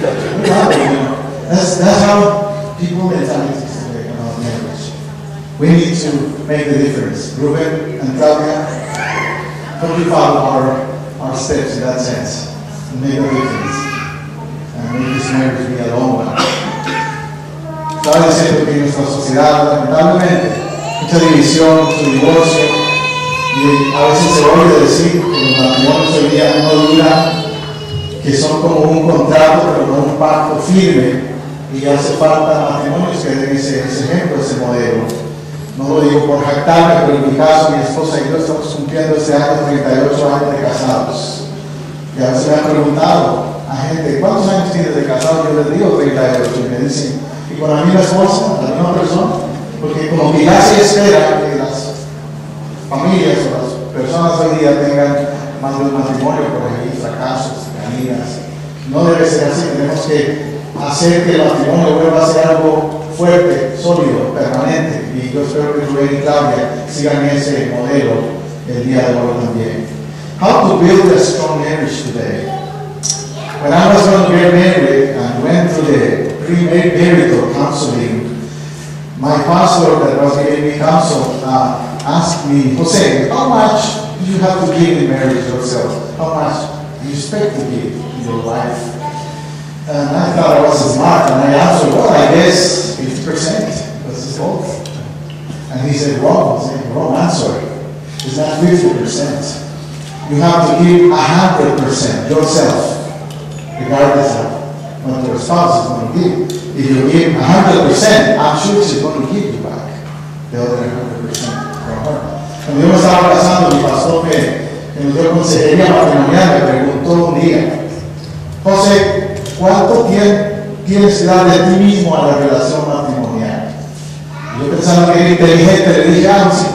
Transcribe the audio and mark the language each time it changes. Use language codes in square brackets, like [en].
[en] That's how people mentality is today about marriage. We need to make the difference. Ruben and Tavia, hope you follow our steps in that sense. Make a difference. make this marriage be a long one. [es] Tal vez esto que nuestra sociedad, lamentablemente, mucha división, mucho divorcio, y a veces se olvida decir que los matrimonios hoy día no duran, que son como un contrato, pero no un pacto firme, y hace falta matrimonios que den ese ejemplo, ese modelo. No lo digo por jactarme, pero en mi caso, mi esposa y yo estamos cumpliendo este año 38 años de casados. Y a veces me han preguntado a gente, ¿cuántos años tienes de casado? Yo les digo 38, y me dicen, y con la misma esposa, la misma persona, porque como que ya se espera que las familias o las personas hoy día tengan más de un matrimonio por ahí, fracasos, caídas. No debe ser así, tenemos que hacer que el matrimonio vuelva a ser algo fuerte, sólido, permanente. Y yo espero que Rubén y Claudia sigan ese modelo el día de hoy también. [en] How to build a strong marriage today? When I was going to get married and went to the premarital counseling, my pastor that was giving me counsel asked me, Jose, how much do you have to give in marriage yourself? How much do you expect to give in your life? And I thought I was smart, and I answered, well, I guess 50%, because it's both. And he said, wrong answer. It's not 50%. You have to give 100% yourself, regardless of what your spouse is going to give. If you give 100%, I'm sure she's going to give you back the other 100% from her. [es] Cuando yo me estaba casando, mi pastor que me dio consejería matrimonial me preguntó un día, José, ¿cuánto tienes que dar de ti mismo a la relación matrimonial? Y yo pensaba que era inteligente, le dije, un 50%.